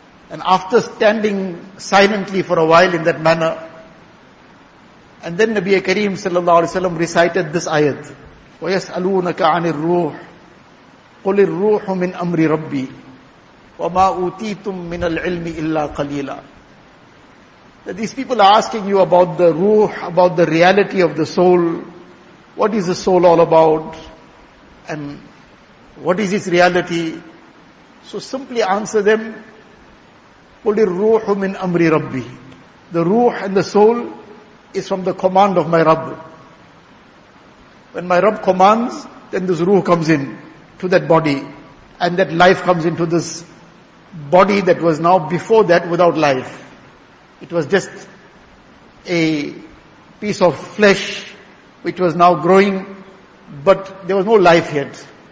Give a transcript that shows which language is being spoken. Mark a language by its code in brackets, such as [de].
[en] And after standing silently for a while in that manner, and then Nabi Kareem sallallahu alayhi wa sallam recited this ayat, [ar] وَيَسْأَلُونَكَ عَنِ الرُّوحِ قل الروح من امر ربي وما اوتيتم من العلم الا قليلا. [en] That these people are asking you about the ruh, about the reality of the soul. What is the soul all about? And what is its reality? So simply answer them, [ar] قل الروح من امر ربي. [en] The ruh and the soul is from the command of my Rabb. When my Rabb commands, then this ruh comes in to that body, and that life comes into this body that was now before that without life. It was just a piece of flesh which was now growing, but there was no life yet.